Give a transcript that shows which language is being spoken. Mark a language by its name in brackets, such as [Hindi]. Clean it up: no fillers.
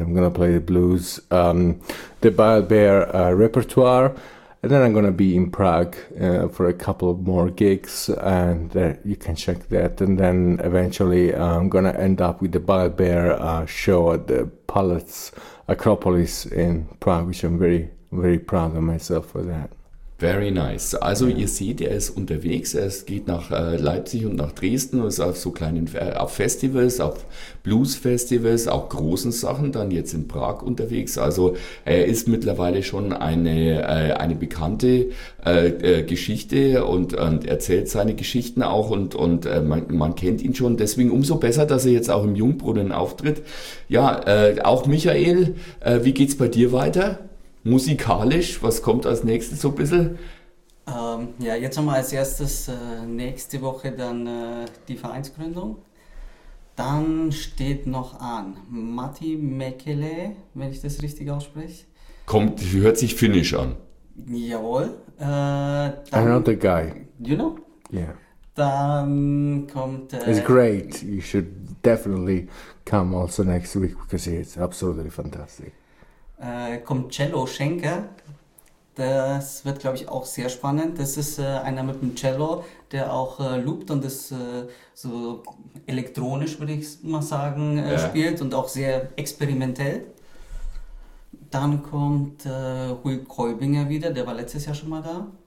[English] I'm going to play the blues, the Bile Bear repertoire, and then I'm going to be in Prague for a couple of more gigs, and you can check that. And then eventually I'm going to end up with the Bile Bear show at the Palace Acropolis in Prague, which I'm very, very proud of myself for that. Very nice. [German] Also ihr seht, er ist unterwegs, er geht nach Leipzig und nach Dresden und ist auf so kleinen auf Festivals, auf Blues-Festivals, auch großen Sachen, dann jetzt in Prag unterwegs. Also er ist mittlerweile schon eine bekannte Geschichte und erzählt seine Geschichten auch und man kennt ihn schon. Deswegen umso besser, dass er jetzt auch im Jungbrunnen auftritt. Ja, auch Michael, wie geht's bei dir weiter? Musikalisch, was kommt als nächstes so ein bisschen? Ja, jetzt haben wir als erstes nächste Woche dann die Vereinsgründung. Dann steht noch an Matti Mäkelä, wenn ich das richtig ausspreche. Kommt, hört sich finnisch an. Jawohl. [English] I know the guy. You know? Yeah. [German] Dann kommt... [English] It's great. You should definitely come also next week because it's absolutely fantastic. [German] Kommt Cello Schenker, Das wird, glaube ich, auch sehr spannend. Das ist einer mit dem Cello, der auch loopt und das so elektronisch, würde ich mal sagen, spielt und auch sehr experimentell. Dann kommt Rui Kolbinger wieder, der war letztes Jahr schon mal da.